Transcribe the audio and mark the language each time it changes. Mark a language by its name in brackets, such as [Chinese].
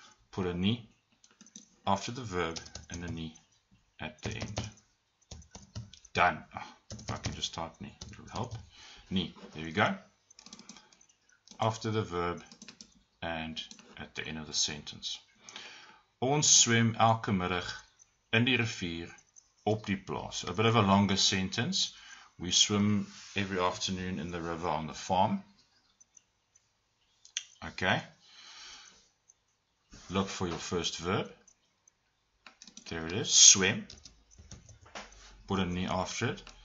[English] Put a ni after the verb and a ni at the end. Done. Oh, if I can just type ni, it will help. Ni, there you go. After the verb and at the end of the sentence. [Afrikaans] Ons swem elke middag in die rivier op die plaas. [English] A bit of a longer sentence. We swim every afternoon in the river on the farm. Okay. Look for your first verb. There it is. Swim. Put a knee after it.